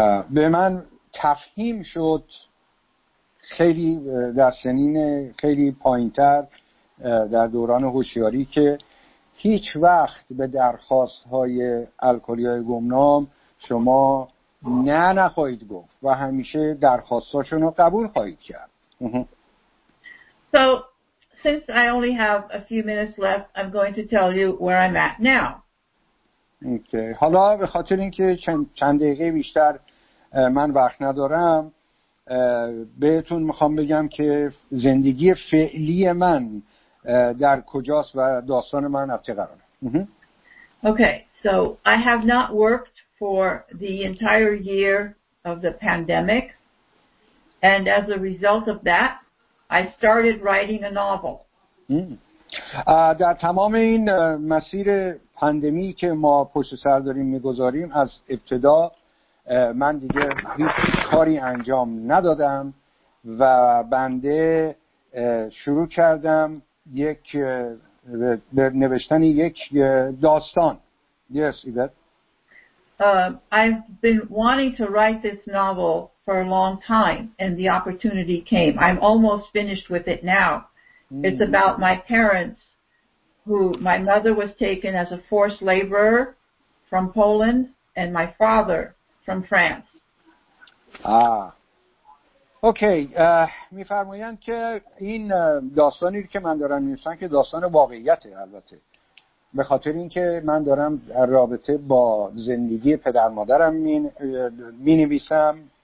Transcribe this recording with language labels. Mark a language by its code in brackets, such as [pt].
[fa] به من تفهیم شد خیلی در سنین خیلی پایین‌تر در دوران هوشیاری که هیچ وقت به درخواست های الکلی های گمنام شما نه نخواهید گفت و همیشه درخواستاشون رو قبول خواهید کرد. [en] So, since I only have a few minutes left, I'm going to tell you where I'm at now. Okay. [fa] حالا به خاطر اینکه چند دقیقه بیشتر من وقت ندارم، بهتون میخوام بگم که زندگی فعلی من در کجاست و داستان من از چه قراره. [en] Okay, so I have not worked for the entire year of the pandemic, and as a result of that, I started writing a novel. [fa] در تمام این مسیر پاندمی که ما پشت سر داریم میگذاریم، از ابتدا من دیگه هیچ کاری انجام ندادم و بنده شروع کردم یک نوشتن یک داستان. [en] Yes, I've been wanting to write this novel for a long time and the opportunity came. I'm almost finished with it now. It's about my parents who my mother was taken as a forced laborer from Poland and my father from France. Okay. [fa] میفرمایند که این داستانی که من دارم می‌نویسم که داستان واقعیته، البته به خاطر اینکه من دارم در رابطه با زندگی پدر مادرم می‌نویسم